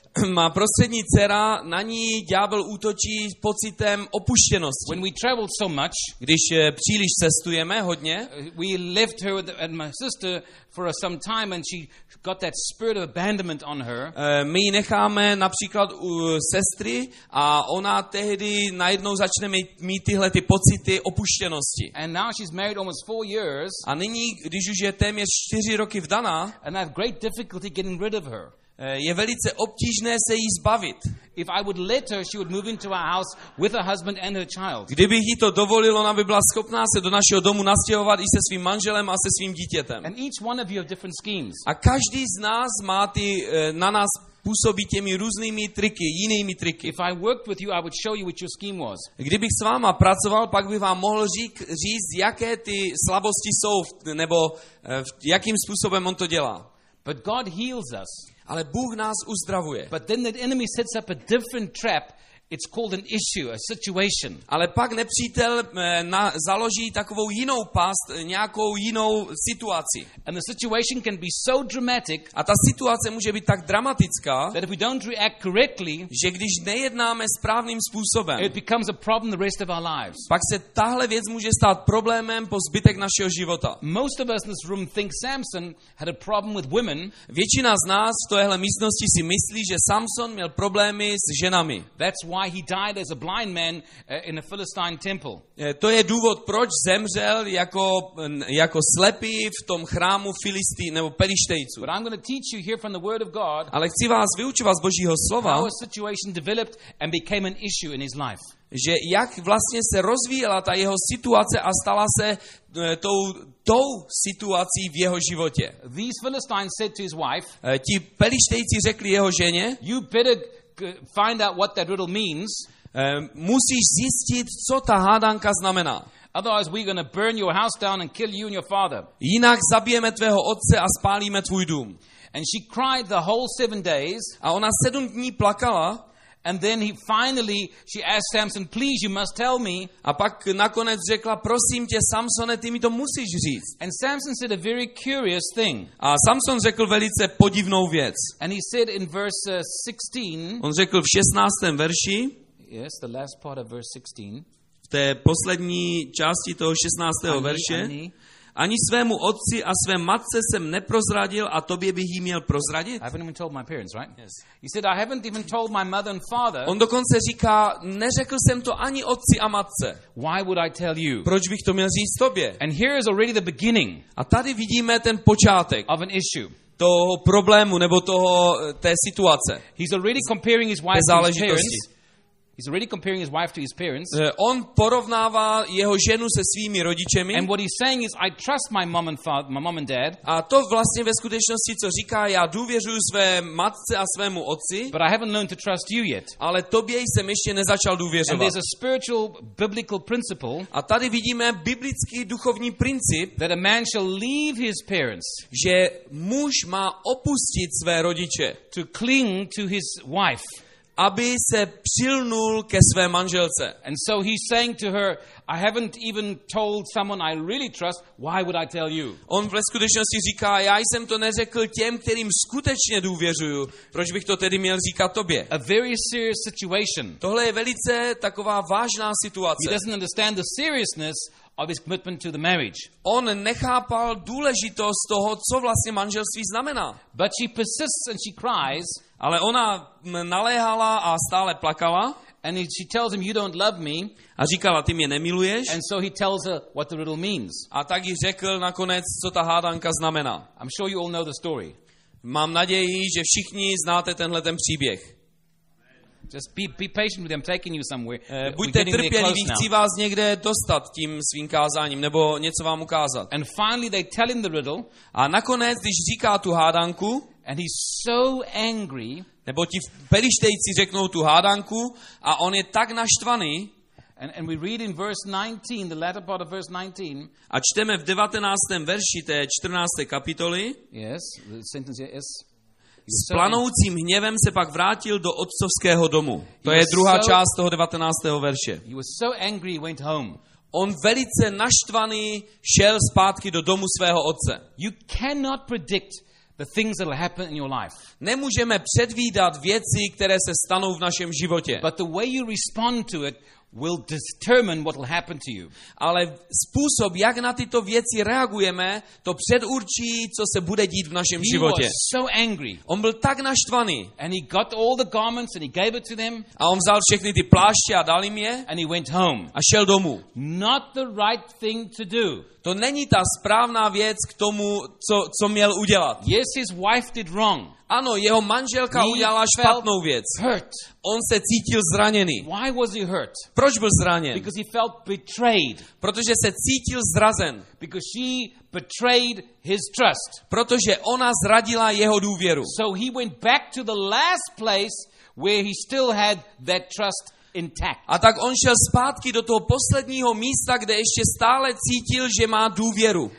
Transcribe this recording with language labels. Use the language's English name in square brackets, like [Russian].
[Czech] Má prostřední dcera, na ní ďábel útočí s pocitem opuštěnosti. [English] When we travel so much, [Czech] když příliš cestujeme hodně, [English] we left her and my sister for some time and she got that spirit of abandonment on her. [Czech] My ji necháme například u sestry a ona tehdy najednou začne mít tyhle ty pocity opuštěnosti. [English] And now she's married almost 4 years. [Czech] A nyní, když už je téměř 4 roky vdaná, [English] and I have great difficulty getting rid of her. [Czech] Je velice obtížné se jí zbavit. [English] If I would let her, she would move into our house with her husband and her child. [Czech] Kdybych jí to dovolil, ona by byla schopná se do našeho domu nastěhovat i se svým manželem a se svým dítětem. [English] And each one of you have different schemes. [Czech] A každý z nás má ty na nás působí těmi různými triky, jinými triky. [English] If I worked with you, I would show you what your scheme was. [Czech] Kdybych s váma pracoval, pak bych vám mohl říct, jaké ty slabosti jsou nebo jakým způsobem on to dělá. [English] But God heals us. [Czech] Ale Bůh nás uzdravuje. [English] But then the enemy sets up a different trap. It's called an issue, a situation. [Czech] Ale pak nepřítel založí takovou jinou past, nějakou jinou situaci. [English] And the situation can be so dramatic. [Czech] A ta situace může být tak dramatická, [English] that if we don't react correctly, [Czech] že když nejednáme správným způsobem, [English] it becomes a problem the rest of our lives. [Czech] Pak se tahle věc může stát problémem po zbytek našeho života. [English] Most of us in this room think Samson had a problem with women. [Czech] Většina z nás v téhle místnosti si myslí, že Samson měl problémy s ženami. [English] Why he died as a blind man in a Philistine temple. [Czech] To je důvod, proč zemřel jako slepý v tom chrámu Filistí nebo Pelištejců. [English] But I'm going to teach you here from the word of God. [Czech] Ale chci vás vyučovat z Božího slova. [English] How a situation developed and became an issue in his life. [Czech] Že jak vlastně se rozvíjela ta jeho situace a stala se tou situací v jeho životě. [English] These Philistines said to his wife. [Czech] Ti Pelištejci řekli jeho ženě. [English] You better find out what that riddle means. [Czech] Musíš zjistit, co ta hádanka znamená. [English] Otherwise we're going to burn your house down and kill you and your father. [Czech] Jinak zabijeme tvého otce a spálíme tvůj dům. [English] And she cried the whole 7 days. [Czech] A ona 7 dní plakala. [English] And then he finally she asked Samson, please you must tell me. [Czech] A pak nakonec řekla, prosím tě Samsone, ty mi to musíš říct. [English] And Samson said a very curious thing. [Czech] A Samson řekl velice podivnou věc. [English] And he said in verse 16. [Czech] On řekl v 16. verši. [English] Yes, the last part of verse 16. [Czech] V té poslední části toho 16. verše. Ani svému otci a své matce jsem neprozradil a tobě bych jí měl prozradit. [English] I haven't even told my parents, right? Yes. He said I haven't even told my mother and father. [Czech] On dokonce říká, neřekl jsem to ani otci a matce. [English] Why would I tell you? [Czech] Proč bych to měl říct tobě? [English] And here is already the beginning. [Czech] A tady vidíme ten počátek. [English] Of an issue. [Czech] Toho problému nebo toho té situace. [English] He's already comparing his wife to his parents. He's already comparing his wife to his parents. [Czech] On porovnává jeho ženu se svými rodičemi. [English] And what he's saying is, I trust my mom and father, my mom and dad. [Czech] A to vlastně ve skutečnosti, co říká, já důvěřuji své matce a svému otci. [English] But I haven't learned to trust you yet. [Czech] Ale tobě jsem ještě nezačal důvěřovat. [English] And there's a spiritual biblical principle. [Czech] A tady vidíme biblický duchovní princip, [English] that a man shall leave his parents. [Czech] Že muž má opustit své rodiče. [English] To cling to his wife. [Czech] Aby se přilnul ke své manželce. [English] And so he's saying to her, I haven't even told someone I really trust, why would I tell you? [Czech] On ve skutečnosti říká, já jsem to neřekl těm, kterým skutečně důvěřuju, proč bych to tedy měl říkat tobě? [English] A very serious situation. [Czech] Tohle je velice taková vážná situace. [English] He doesn't understand the seriousness of his commitment to the marriage. [Czech] On nechápal důležitost toho, co vlastně manželství znamená. [English] But she persists and she cries. [Czech] Ale ona naléhala a stále plakala. [English] And she tells him, you don't love me. [Czech] A říkala, ty mě nemiluješ. [English] And so he tells her what the riddle means. [Czech] A tak jí řekl nakonec, co ta hádanka znamená. [English] I'm sure you all know the story. [Czech] Mám naději, že všichni znáte tenhle ten příběh. [English] Just be patient with them, taking you somewhere. [Czech] Buďte trpěliví, chci vás někde dostat tím svým kázáním, nebo něco vám ukázat. [English] And finally they tell him the riddle. [Czech] A nakonec, když říká tu hádanku, [English] and he's so angry, [Czech] nebo ti Pelištejci řeknou tu hádanku a on je tak naštvaný. [English] And we read in verse 19, the latter part of verse 19. [Czech] A čteme v 19. verši té 14. kapitoly. [English] Yes, the sentence here is. [Czech] S planoucím hněvem se pak vrátil do otcovského domu. To je druhá část toho 19. verše. [English] He was so angry, he went home. [Czech] On velice naštvaný šel zpátky do domu svého otce. [English] You cannot predict the things that will happen in your life. [Czech] Nemůžeme předvídat věci, které se stanou v našem životě. [English] But the way you respond to it will determine what will happen to you. [Czech] Ale způsob, jak na tyto věci reagujeme, to předurčí, co se bude dít v našem životě. [English] He was so angry. [Czech] On byl tak naštvaný. [English] And he got all the garments and he gave it to them. [Czech] A on vzal všechny ty pláště a dal jim je. [English] And he went home. [Czech] A šel domů. [English] Not the right thing to do. [Czech] To není ta správná věc k tomu, co měl udělat. [English] Yes, his wife did wrong. [Czech] Ano, jeho manželka udělala špatnou věc. [English] Hurt. [Czech] On se cítil zraněný. [English] Why was he hurt? [Czech] Proč byl zraněn? [English] Because he felt betrayed. [Czech] Protože se cítil zrazen. [English] Because she betrayed his trust. [Czech] Protože ona zradila jeho důvěru. [English] So he went back to the last place where he still had that trust intact. [Czech] A tak on šel zpátky do toho posledního místa, kde ještě stále cítil, že má důvěru.